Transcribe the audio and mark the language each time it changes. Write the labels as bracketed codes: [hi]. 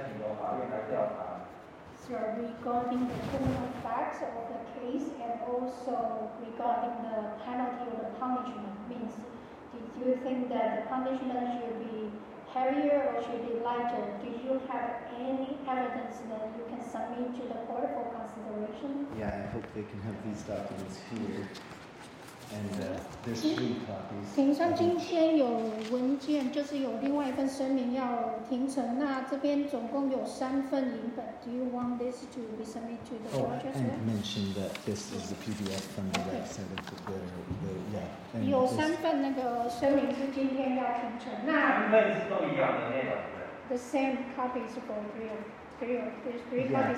[zh] 好，两位意见。请通一下被告有关本案的犯罪事实的经过，或者是有犯罪成立之后有关系的加重减轻或免刑事由这方面，他自己有没有什么证据要再请求法院来调查？ [en] Sir, regarding the criminal facts of the case and also regarding the penalty or the punishment means. Did you think that the punishment should be heavier or should be lighter? Do you have any evidence that you can submit to the court for consideration? Yeah, I hope they can have these documents here. And there's three copies. [zh] 庭上今天有文件，就是有另外一份声明要庭审，那这边总共有三份影本。 [en] Do you want this to be submitted to the court? Oh, and mention that this is the PDF from the website of the yeah. [zh] 有三份那个声明是今天要庭审，那三份是都一样的内容。 [en] The same copies for three copies